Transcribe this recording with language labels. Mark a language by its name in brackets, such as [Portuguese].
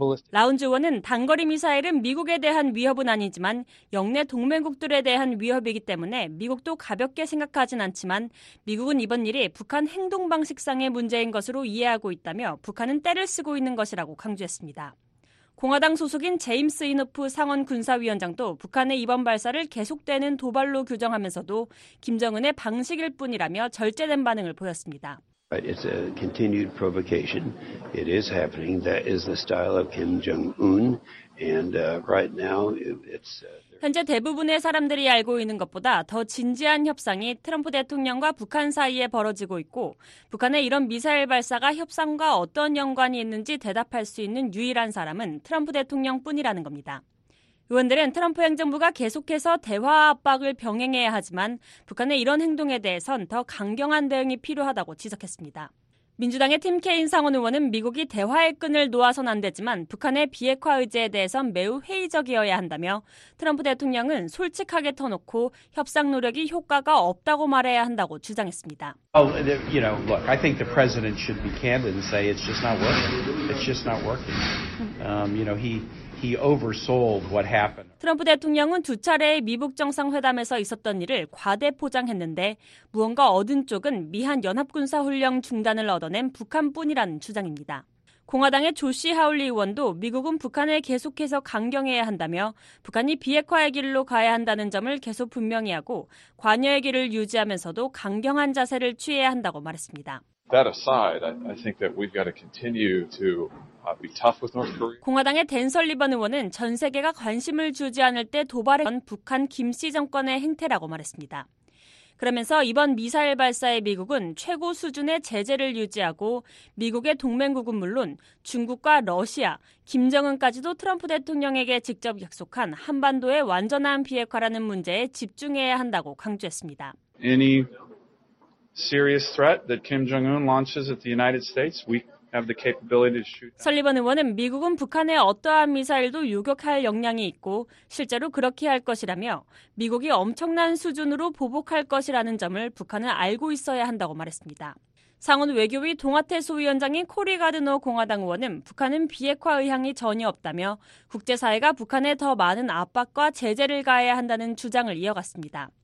[Korean] 라운즈 원은 단거리 미사일은 미국에 대한 위협은 아니지만 영내 동맹국들에 대한 위협이기 때문에 미국도 가볍게 생각하진 않지만 미국은 이번 일이 북한 행동 방식상의 문제인 것으로 이해하고 있다며 북한은 때를 쓰고 있는 것이라고 강조했습니다. 공화당 소속인 제임스 이노프 상원 군사위원장도 북한의 이번 발사를 계속되는 도발로 규정하면서도 김정은의 방식일 뿐이라며 절제된 반응을 보였습니다. [English] It's a continued provocation. It is happening. That is the style of Kim Jong-un. And right now, it's... [Korean] 현재 대부분의 사람들이 알고 있는 것보다 더 진지한 협상이 트럼프 대통령과 북한 사이에 벌어지고 있고 북한의 이런 미사일 발사가 협상과 어떤 연관이 있는지 대답할 수 있는 유일한 사람은 트럼프 대통령뿐이라는 겁니다. 의원들은 트럼프 행정부가 계속해서 대화 압박을 병행해야 하지만 북한의 이런 행동에 대해선 더 강경한 대응이 필요하다고 지적했습니다. 민주당의 팀 케인 상원 의원은 미국이 대화의 끈을 놓아선 안 되지만 북한의 비핵화 의지에 대해선 매우 회의적이어야 한다며 트럼프 대통령은 솔직하게 터놓고 협상 노력이 효과가 없다고 말해야 한다고 주장했습니다. [English] Oh, you know, look, I think the president should be candid and say it's just not working. It's just not working. You know, he oversold what happened. [Korean] 트럼프 대통령은 두 차례의 미북 정상회담에서 있었던 일을 과대 포장했는데 무언가 얻은 쪽은 미한 연합군사 훈련 중단을 얻어낸 북한뿐이라는 주장입니다. 공화당의 조시 하울리 의원도 미국은 북한을 계속해서 강경해야 한다며 북한이 비핵화의 길로 가야 한다는 점을 계속 분명히 하고 관여의 길을 유지하면서도 강경한 자세를 취해야 한다고 말했습니다. [English] That aside, I think that we've got to continue to be tough with North Korea. [Korean] 공화당의 댄 설리번 의원은 전 세계가 관심을 주지 않을 때 도발한 북한 김씨 정권의 행태라고 말했습니다. 그러면서 이번 미사일 발사에 미국은 최고 수준의 제재를 유지하고 미국의 동맹국은 물론 중국과 러시아, 김정은까지도 트럼프 대통령에게 직접 약속한 한반도의 완전한 비핵화라는 문제에 집중해야 한다고 강조했습니다. [English] Any serious threat that Kim Jong-un launches at the United States, we have the capability to shoot. [Korean] 설리번 의원은 미국은 북한의 어떠한 미사일도 요격할 역량이 있고 실제로 그렇게 할 것이라며 미국이 엄청난 수준으로 보복할 것이라는 점을 북한은 알고 있어야 한다고 말했습니다. 상원 외교위 동아태 소위원장인 코리 가드노 공화당 의원은 북한은 비핵화 의향이 전혀 없다며 국제사회가 북한에 더 많은 압박과 제재를 가해야 한다는 주장을 이어갔습니다.